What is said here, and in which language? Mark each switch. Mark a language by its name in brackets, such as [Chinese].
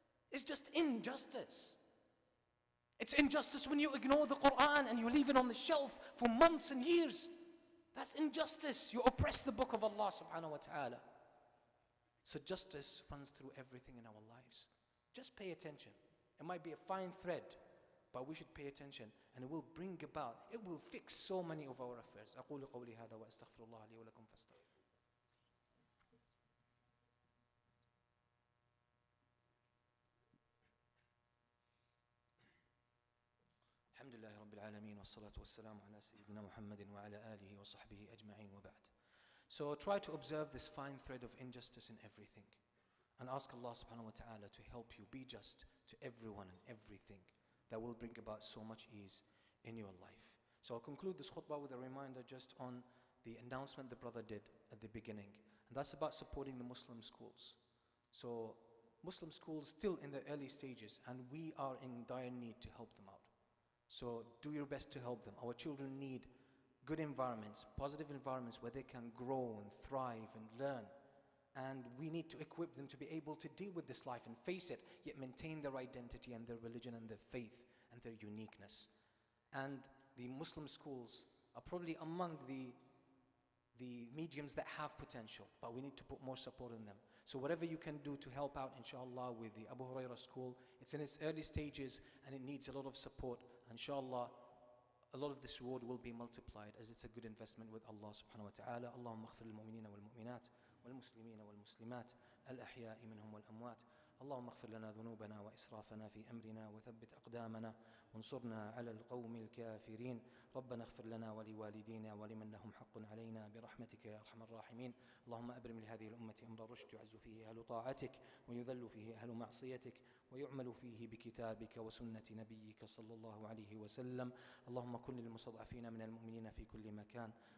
[English] It's just injustice. It's injustice when you ignore the Quran and you leave it on the shelf for months and years. That's injustice. You oppress the book of Allah subhanahu wa ta'ala. So justice runs through everything in our lives. Just pay attention. It might be a fine thread, but we should pay attention. And it will bring about, it will fix so many of our affairs. [Arabic] أقول قولي هذا وأستغفر الله لي ولكم فاستغفر. الحمد لله رب العالمين والصلاة والسلام على سيدنا محمد وعلى آله وصحبه أجمعين وبعد. [English] So try to observe this fine thread of injustice in everything. And ask Allah subhanahu wa ta'ala to help you be just to everyone and everything. That will bring about so much ease in your life. So I'll conclude this khutbah with a reminder just on the announcement the brother did at the beginning. And that's about supporting the Muslim schools. So Muslim schools still in the early stages, and we are in dire need to help them out. So do your best to help them. Our children need good environments, positive environments where they can grow and thrive and learn. And we need to equip them to be able to deal with this life and face it, yet maintain their identity and their religion and their faith and their uniqueness. And the Muslim schools are probably among the mediums that have potential, but we need to put more support in them. So whatever you can do to help out, inshallah, with the Abu Huraira school, it's in its early stages and it needs a lot of support. Inshallah, a lot of this reward will be multiplied as it's a good investment with Allah subhanahu wa ta'ala. [Arabic] Allahumma aghfir al-mu'minina wal-mu'minat والمسلمين والمسلمات الأحياء منهم والأموات اللهم اغفر لنا ذنوبنا وإسرافنا في أمرنا وثبت أقدامنا وانصرنا على القوم الكافرين ربنا اغفر لنا ولوالدينا ولمن لهم حق علينا برحمتك يا أرحم الراحمين اللهم أبرم لهذه الأمة أمر الرشد يعز فيه أهل طاعتك ويذل فيه أهل معصيتك ويعمل فيه بكتابك وسنة نبيك صلى الله عليه وسلم اللهم كن للمستضعفين من المؤمنين في كل مكان